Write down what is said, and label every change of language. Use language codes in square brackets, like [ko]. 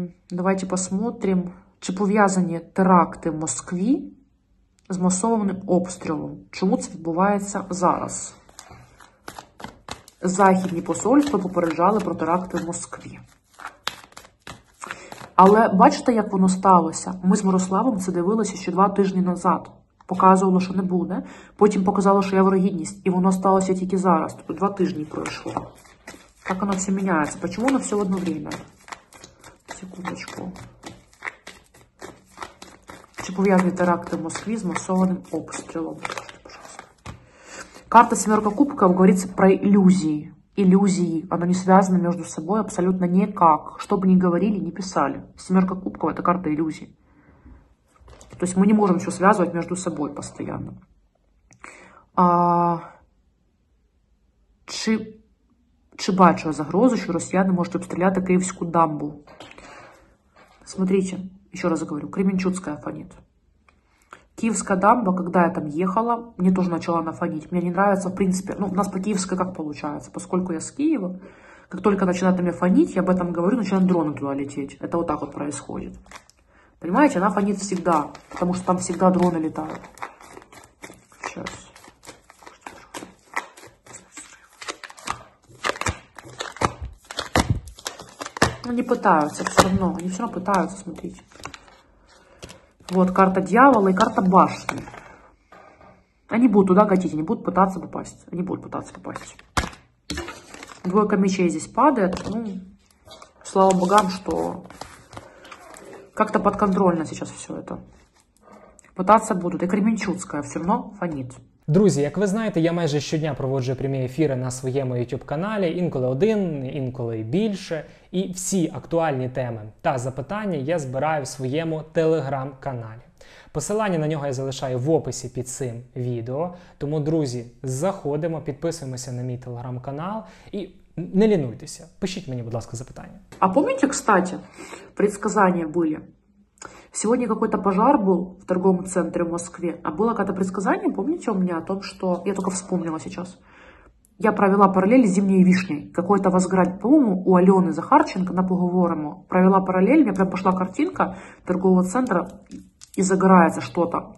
[ru] Давайте посмотрим. Чеповязание теракты в Москве с массованным обстрелом. [uk] Чому це відбувається зараз? Західні посольства попереджали про теракти в Москві. Але бачите, як воно сталося? Ми з Мирославом це дивилися ще два тижні назад. Показувало, що не буде. Потім показало, що є ворогідність. І воно сталося тільки зараз. Тобто два тижні пройшло. Так воно все міняється. Чому воно все [ru] в одно время? [uk] Секундочку. Чи пов'язані теракти в Москві з масованим обстрілом? Карта семерка кубків говорить про ілюзії. Ілюзії. Воно не зв'язане між собою абсолютно ніяк. Що б ні говорили, ні писали. Семерка кубків – це карта ілюзії. Тобто ми не можемо нічого зв'язувати між собою постійно. Чи бачу загрозу, що росіяни можуть обстріляти Київську дамбу? [ru] Смотрите, еще раз говорю, Кременчугская фонит. Киевская дамба, когда я там ехала, мне тоже начала она фонить. Мне не нравится, в принципе, ну, у нас по Киевской как получается, поскольку я с Киева, как только начинает на меня фонить, я об этом говорю, начинают дроны туда лететь. Это вот так вот происходит. Понимаете, она фонит всегда, потому что там всегда дроны летают. Сейчас. Они пытаются все равно, они все равно пытаются, смотрите. Вот карта дьявола и карта башни. Они будут туда катить, они будут пытаться попасть. Они будут пытаться попасть. Двойка мечей здесь падает. Ну, слава богам, что как-то подконтрольно сейчас все это. Пытаться будут. И Кременчугская все равно фонит. [uk] Друзі, як ви знаєте, я майже щодня проводжу прямі ефіри на своєму YouTube-каналі, інколи один, інколи більше. І всі актуальні теми та запитання я збираю в своєму Telegram-каналі. Посилання на нього я залишаю в описі під цим відео. Тому, друзі, заходимо, підписуємося на мій Telegram-канал і не лінуйтеся. Пишіть мені, будь ласка, запитання. А пам'ятаєте, кстати, предсказання були? [ru] Сегодня какой-то пожар был в торговом центре в Москве, а было какое-то предсказание, помните у меня, о том, что... Я только вспомнила сейчас. Я провела параллель с зимней вишней. Какой-то возград, по-моему, у Алены Захарченко на поговорому. Провела параллель, у меня прям пошла картинка торгового центра, и загорается что-то.